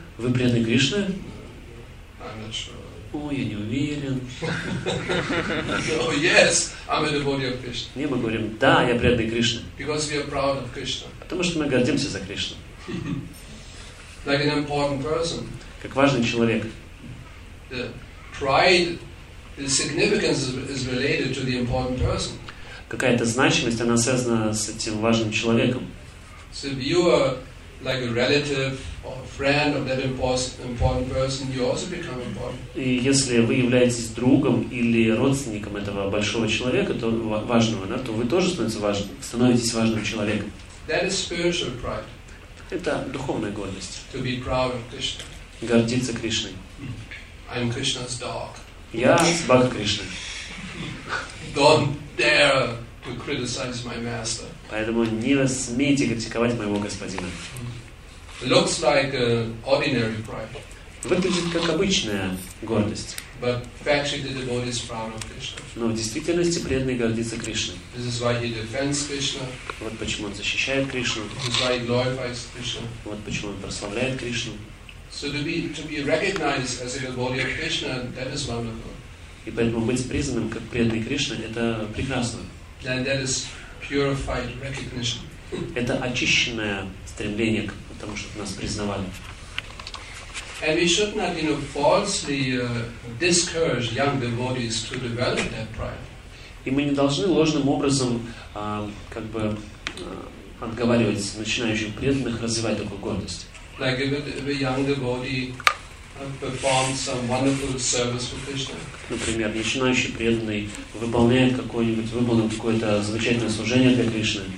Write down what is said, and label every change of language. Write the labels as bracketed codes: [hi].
[ru] Вы преданный Кришне? [en] I'm not sure. [ru] Ой, я не уверен. [en] Oh, yes, I'm a devotee of Krishna. [ru] Не, мы говорим, да, я преданный Кришне. [en] Because we are proud of Krishna. [ru] Потому что мы гордимся за Кришну. [en] Like an important person. [ru] Как важный человек. [en] The pride, the significance is related to the important person. [ru] Какая-то значимость, она связана с этим важным человеком. [en] So if you are like a relative or friend of that important person, you also become important. [ru] И если вы являетесь другом или родственником этого большого человека, то важного, да, то вы тоже становитесь важным человеком. [en] That is spiritual pride. [ru] Это духовная гордость. [en] To be proud of Krishna. [ru] Гордиться Кришной. [en] I'm Krishna's dog. [ru] Я собака Кришны. [en] Don't dare to criticize my master. [ru] Поэтому не смейте критиковать моего господина. [en] Looks like an ordinary pride. [ru] Выглядит как обычная гордость. [en] But actually the devotee is proud of Krishna. [ru] Но в действительности преданный гордится Кришной. [en] This is why he defends Krishna. [ru] Вот почему он защищает Кришну. [en] This is why he glorifies Krishna. [ru] Вот почему он прославляет Кришну. [en] So to be recognized as a devotee of Krishna, that is wonderful. [ru] И поэтому быть признанным как преданный Кришна, это прекрасно. [en] And that is purified recognition. [ru] Это очищенное стремление к тому, чтобы нас признавали. [en] And we should not, you know, falsely discourage young devotees to develop that pride. [ru] И мы не должны ложным образом, как бы, отговаривать начинающих преданных развивать такую гордость. [en] Like if a young devotee performed some wonderful service for Krishna. [ru] Например, начинающий преданный выполняет какое-то замечательное служение для Кришны.